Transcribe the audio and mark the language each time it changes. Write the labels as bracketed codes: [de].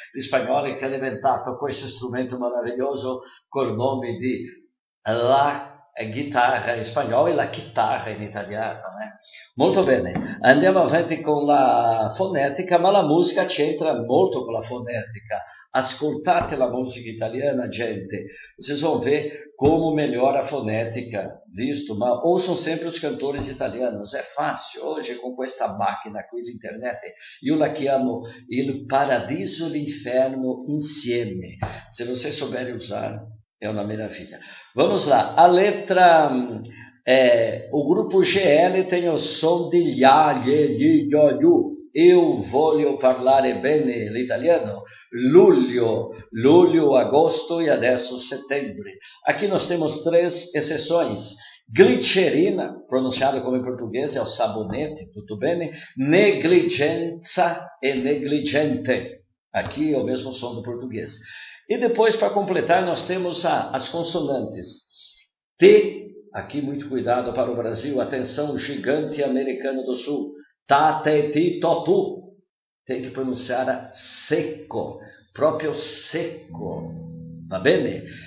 [it] Gli spagnoli che hanno inventato questo strumento meraviglioso col nome di la chitarra in spagnolo e la chitarra in italiano, né? Molto bene, andiamo avanti con la fonetica, ma la musica c'entra molto con la fonetica. Ascoltate la musica italiana, gente, [pt] vocês vão ver como melhora a fonetica, visto? Ma ouçam sempre os cantores italianos, é fácil, hoje com [it] questa macchina qui, l'internet, io la chiamo il paradiso e l'inferno insieme, [pt] se você souber usar. É uma maravilha. Vamos lá. A letra... o grupo GL tem o som de lia, lie, lie, lio, lio. [it] Eu voglio parlare bene l'italiano. Luglio. Luglio, agosto e adesso setembro. [pt] Aqui nós temos três exceções. Glicerina, pronunciado como em português, é o sabonete, tudo bem? Negligenza e negligente. Aqui é o mesmo som do português. E depois, para completar, nós temos as consonantes. T, aqui muito cuidado para o Brasil, atenção, gigante americano do sul. Ta, te, ti, to, tu. Tem que pronunciar seco, próprio seco. [it] Va bene?